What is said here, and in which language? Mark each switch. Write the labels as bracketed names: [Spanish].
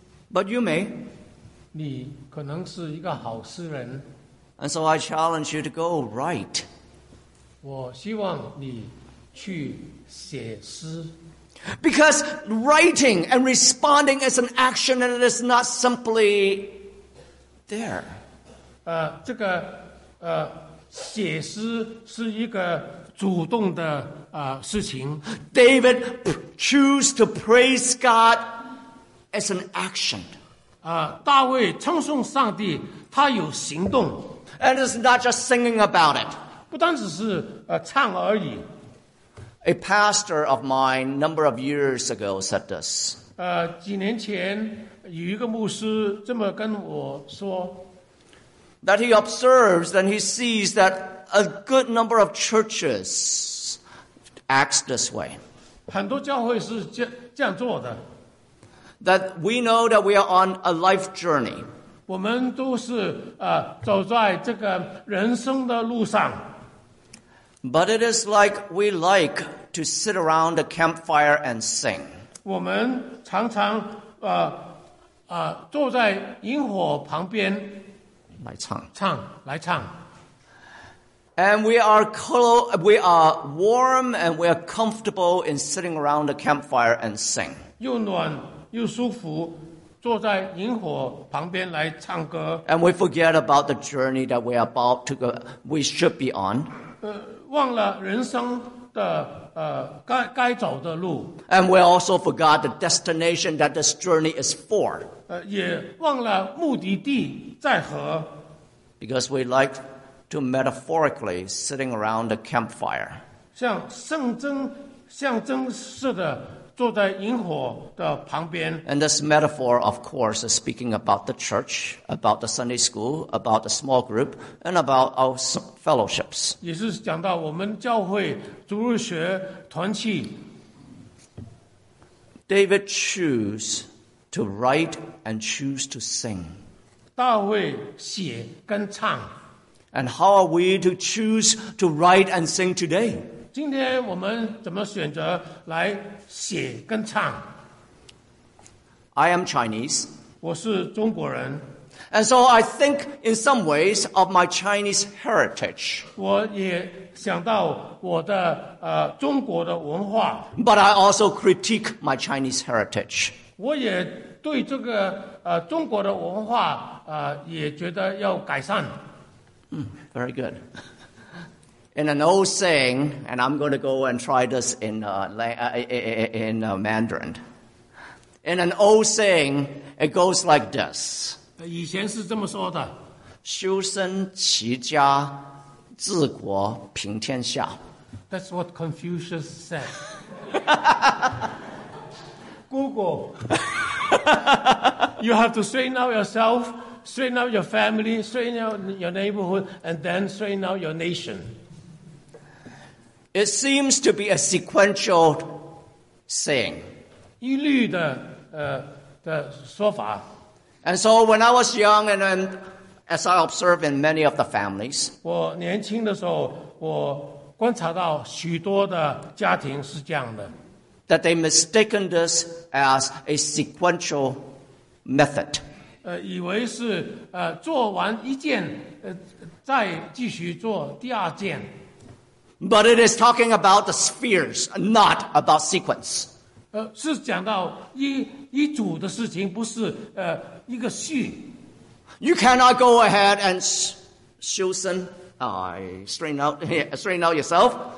[English] But you may. [Chinese] 你可能是一个好诗人。 [English] And so I challenge you to go write. [Chinese] 我希望你去写诗。 [English] Because writing and responding is an action and it is not simply there. [Chinese] 这个写诗是一个主动的事情。 [English] David choose to praise God as an action. [Chinese] 大卫称颂上帝，他有行动。 [English] And it's not just singing about it. [Chinese] 不单只是唱而已。 [English] A pastor of mine, number of years ago, said this. [Chinese] 几年前有一个牧师这么跟我说。 [English] That he observes and he sees that a good number of churches acts this way. [Chinese] 很多教会是这样做的。 [English] That we know that we are on a life journey. [Chinese] 我们都是走在这个人生的路上。 [English] But it is like we like to sit around the campfire and sing. [Chinese] 我们常常坐在萤火旁边来唱唱来唱。 [English] And we are warm and we are comfortable in sitting around the campfire and sing. [Chinese] 又暖又舒服，坐在萤火旁边来唱歌。 [English] And we forget about the journey that we are about to go, we should be on. [Chinese] 忘了人生的该走的路。 [English] And we also forgot the destination that this journey is for. [Chinese] 也忘了目的地在何。 [English] Because we like to metaphorically sitting around the campfire. [Chinese] 像象征似的坐在萤火的旁边。 [English] And this metaphor, of course, is speaking about the church, about the Sunday school, about the small group, and about our fellowships. [Chinese] 也是讲到我们教会主日学团契。 [English] David choose to write and choose to sing. [Chinese] 大卫写跟唱。 [English] And how are we to choose to write and sing today? [Chinese] 今天我们怎么选择来写跟唱？ [English] I am Chinese. [Chinese] 我是中国人。 [English] And so I think in some ways of my Chinese heritage. [Chinese] 我也想到我的中国的文化。 [English] But I also critique my Chinese heritage. [Chinese] 我也对这个中国的文化也觉得要改善。 [English] Very good. In an old saying, and I'm going to go and try this in Mandarin. In an old saying, it goes like this. [Chinese] 以前是这么说的。修身齐家治国平天下。 [English] That's what Confucius said. Google. You have to straighten out yourself, straighten out your family, straighten out your neighborhood, and then straighten out your nation. It seems to be a sequential saying. [Chinese] 一律的说法。 [English] And so when I was young and then as I observe in many of the families, [Chinese] 我年轻的时候我观察到许多的家庭是这样的。 [English] That they mistaken this as a sequential method. [Chinese] 以为是做完一件再继续做第二件。 [English] But it is talking about the spheres, not about sequence. [Chinese] 是讲到一组的事情，不是一个序。 [English] You cannot go ahead and straighten out yourself.